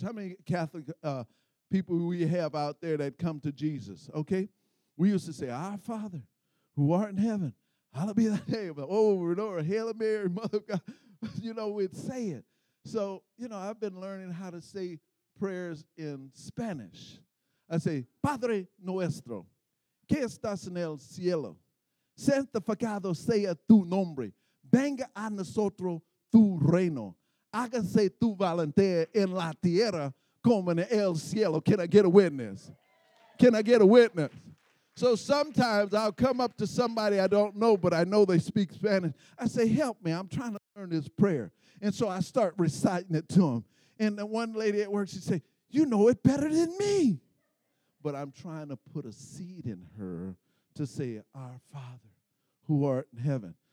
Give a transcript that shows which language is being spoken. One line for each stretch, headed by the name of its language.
English: How many Catholic people we have out there that come to Jesus, okay? We used to say, our Father, who art in heaven, hallowed be thy name, over and over, Hail Mary, Mother of God. You know, we'd say it. So, you know, I've been learning how to say prayers in Spanish.
Spanish: I say, Padre nuestro, que estás en el cielo, santificado sea tu nombre, venga a nosotros tu reino, hágase tu voluntad en la tierra como en el cielo.
English: Can I get a witness? Can I get a witness? So sometimes I'll come up to somebody I don't know, but I know they speak Spanish. I say, help me. I'm trying to learn this prayer. And so I start reciting it to them. And the one lady at work, she say, you know it better than me. But I'm trying to put a seed in her to say, our Father, who art in heaven.